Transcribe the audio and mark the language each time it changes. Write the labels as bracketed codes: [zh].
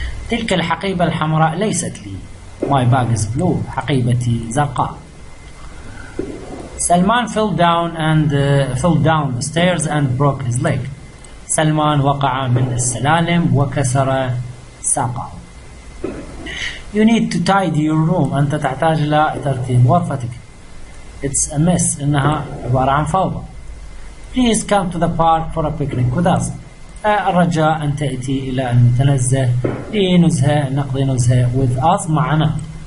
[ar] تلك الحقيبة الحمراء ليست لي [en] My bag is blue [ar] حقيبتي زرقاء سلمان [en] fell down the stairs and broke his leg [ar] سلمان وقع من السلالم وكسر ساقه. [en] You need to tidy your room. [ar] أنت تحتاج إلى ترتيب غرفتك. [en] It's a mess. [ar] إنها عبارة عن فوضى. [en] Please come to the park for a picnic with us. [ar] الرجاء أن تأتي إلى المتنزه لنزهة نقضي نزهة [en] with us [ar] معنا.